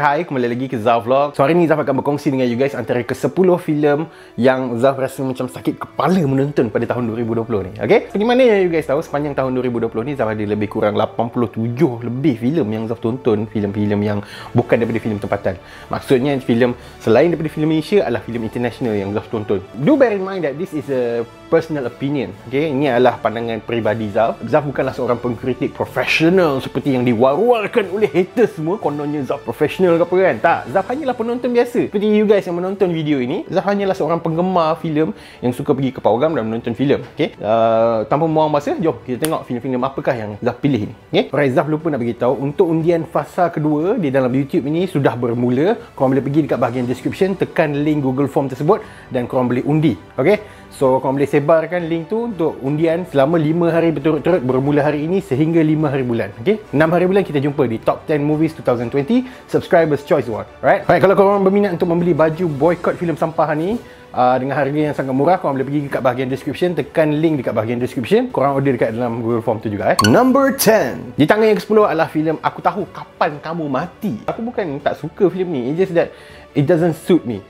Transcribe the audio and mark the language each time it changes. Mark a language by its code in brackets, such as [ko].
[ms] Hai, kembali lagi ke Zaf Vlog. So, hari ni Zaf akan berkongsi dengan [en] you guys [ms] antara ke-10 filem yang Zaf rasa macam sakit kepala menonton pada tahun 2020 ni. Okay? Seperti mana yang [en] you guys [ms] tahu, sepanjang tahun 2020 ni Zaf ada lebih kurang 87 lebih filem yang Zaf tonton. Filem-filem yang bukan daripada filem tempatan. Maksudnya, filem selain daripada filem Malaysia adalah filem international yang Zaf tonton. [en] Do bear in mind that this is a personal opinion. Okay? [ms] Ini adalah pandangan peribadi Zaf. Zaf bukanlah seorang pengkritik profesional seperti yang diwar-warkan oleh haters. Semua kononnya Zaf profesional ke apa kan? Tak, Zaf hanyalah penonton biasa. Seperti [en] you guys [ms] yang menonton video ini, Zaf hanyalah seorang penggemar filem yang suka pergi ke pawagam dan menonton filem. Okay? Tanpa membuang masa, jom kita tengok filem-filem apakah yang Zaf pilih ini. Okay? [en] Alright, [ms] Zaf lupa nak beritahu, untuk undian fasa kedua di dalam YouTube ini sudah bermula. Korang boleh pergi dekat bahagian description, tekan link Google Form tersebut dan korang boleh undi. Okay? So, korang boleh sebarkan link tu untuk undian selama 5 hari berturut-turut bermula hari ini sehingga 5 hari bulan. Okay? 6 hari bulan kita jumpa di Top 10 Movies 2020 Subscribers Choice Award. [en] Right? Right, [ms] kalau korang berminat untuk membeli baju boikot filem sampah ni dengan harga yang sangat murah, korang boleh pergi dekat bahagian description, tekan link dekat bahagian description, korang order dekat dalam Google Form tu juga. [en] Number 10. [ms] Di tangan yang ke-10 adalah filem Aku Tahu Kapan Kamu Mati. Aku bukan tak suka filem ni, [en] it's just that it doesn't suit me.